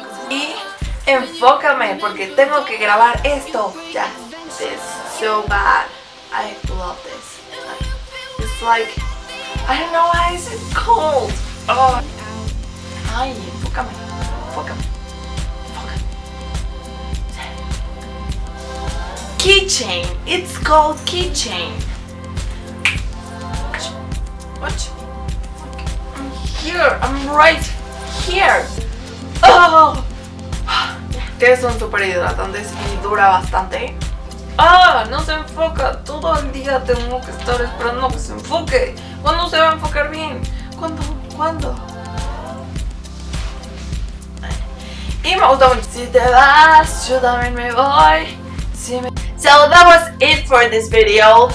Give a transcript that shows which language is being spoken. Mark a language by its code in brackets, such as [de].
[es] Y enfócame porque tengo que grabar esto. [en] Ya. This is so bad. I love this. Like, I don't know why is it cold. Oh, [es] ay, enfócame, enfócame, enfócame. [en] Keychain, it's called keychain. What? I'm here. I'm right here. [es] Oh, que es un super hidratante y dura bastante. ¡Ah! ¡No se enfoca! Todo el día tengo que estar esperando que se enfoque. ¿Cuándo se va a enfocar bien? ¿Cuándo? Y me gusta mucho. Si te vas, yo también me voy. Si me... [en] So that was it for this video.